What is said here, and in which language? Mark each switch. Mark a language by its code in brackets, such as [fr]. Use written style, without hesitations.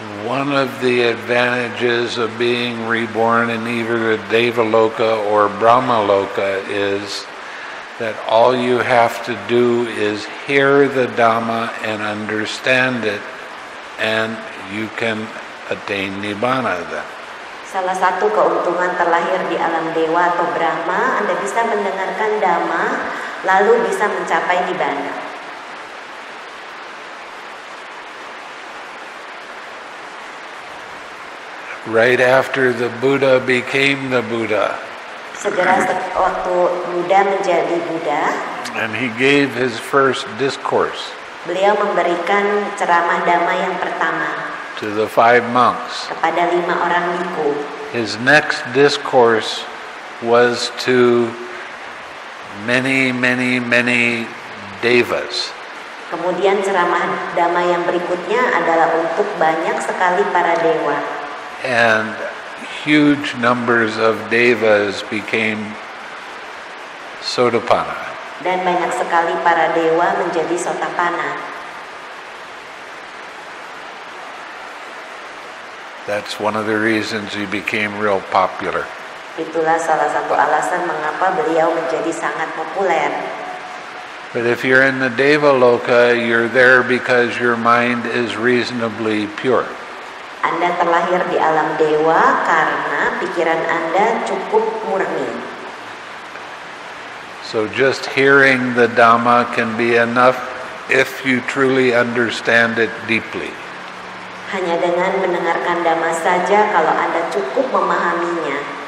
[en] One of the advantages of being reborn in either the Devaloka or Brahmaloka is that all you have to do is hear the Dhamma and understand it, and you can attain Nibbana then. [id] Salah satu keuntungan terlahir di alam Dewa atau Brahma, Anda bisa mendengarkan Dhamma, lalu bisa mencapai Nibbana. [en] Right after the Buddha became the Buddha. [id] Segera waktu Buddha menjadi Buddha. [en] And he gave his first discourse. [id] Beliau memberikan ceramah Dhamma yang pertama. [en] To the five monks. [id] Kepada lima orang bhikkhu. [en] His next discourse was to many, many, many devas. [id] Kemudian ceramah Dhamma yang berikutnya adalah untuk banyak sekali para dewa. [en] And huge numbers of devas became sotapanna. [id] Dan banyak sekali para dewa menjadi sotapanna. [en] That's one of the reasons he became real popular. [id] Itulah salah satu alasan mengapa beliau menjadi sangat populer. [en] But if you're in the Devaloka, you're there because your mind is reasonably pure. [id] Anda terlahir di alam dewa karena pikiran Anda cukup murni. [en] So just hearing the Dhamma can be enough if you truly understand it deeply. [id] Hanya dengan mendengarkan Dhamma saja kalau Anda cukup memahaminya.